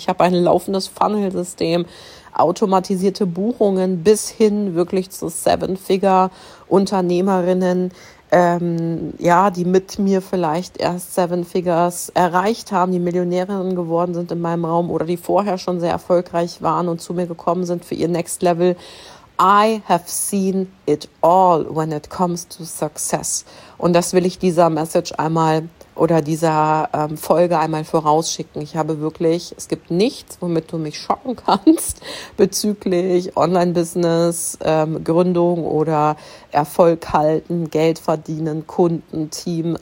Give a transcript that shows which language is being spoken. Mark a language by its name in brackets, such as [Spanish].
[German] Ich habe ein laufendes Funnel-System, automatisierte Buchungen bis hin wirklich zu Seven-Figure-Unternehmerinnen, die mit mir vielleicht erst Seven Figures erreicht haben, die Millionärinnen geworden sind in meinem Raum oder die vorher schon sehr erfolgreich waren und zu mir gekommen sind für ihr Next Level. [English] I have seen it all when it comes to success. [German] Und das will ich dieser Message einmal oder dieser Folge einmal vorausschicken. Ich habe wirklich, es gibt nichts, womit du mich schocken kannst bezüglich Online-Business, Gründung oder Erfolg halten, Geld verdienen, Kunden, Team.